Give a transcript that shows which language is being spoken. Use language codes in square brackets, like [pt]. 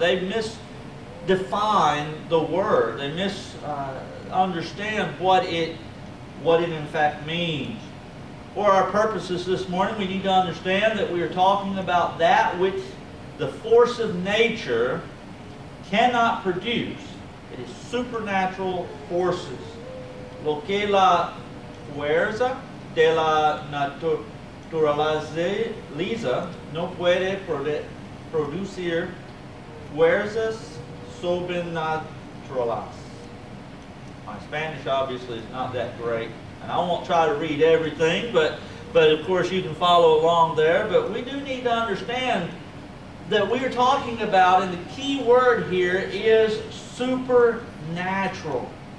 [en] They misdefine the word. They misunderstand what it in fact means. For our purposes this morning, we need to understand that we are talking about that which the force of nature cannot produce. It is supernatural forces. [es] Lo que la fuerza de la naturaleza no puede producir fuerzas sobrenaturales. [en] My Spanish obviously is not that great, and I won't try to read everything, but of course you can follow along there. But we do need to understand that we are talking about, and the key word here is supernatural.